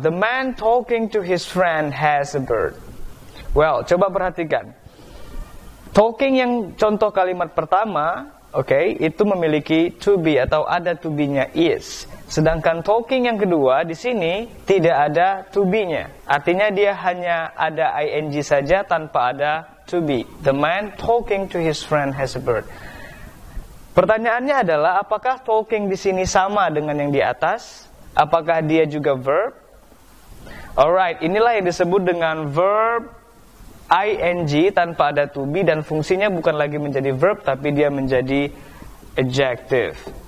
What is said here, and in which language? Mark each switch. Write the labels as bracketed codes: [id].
[en] The man talking to his friend has a bird. [id] Well, coba perhatikan. Talking yang contoh kalimat pertama, oke, okay, itu memiliki to be atau ada to be-nya is. Sedangkan talking yang kedua di sini tidak ada to be-nya. Artinya dia hanya ada ing saja tanpa ada to be. [en] The man talking to his friend has a bird. [id] Pertanyaannya adalah apakah talking di sini sama dengan yang di atas? Apakah dia juga verb? Alright, inilah yang disebut dengan verb ing tanpa ada to be dan fungsinya bukan lagi menjadi verb tapi dia menjadi adjective.